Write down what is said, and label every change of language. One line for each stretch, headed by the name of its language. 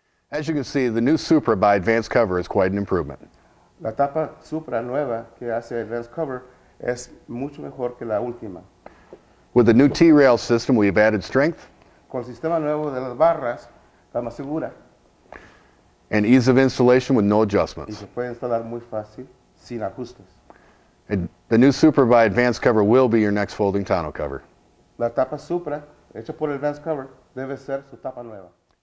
English: As you can see, the new Supra by Advanced Cover is quite an improvement.
Spanish: La tapa Supra nueva que hace Advanced Cover es mucho mejor que la última.
English: With the new T-rail system, we've added strength.
Spanish: Con el sistema nuevo de las barras, está más segura.
English: And ease of installation with no adjustments.
Spanish: Y se puede instalar muy fácil, sin ajustes.
English: And the new Supra by Advanced Cover will be your next folding tonneau cover.
Spanish: La tapa Supra, hecha por Advanced Cover, debe ser su tapa nueva.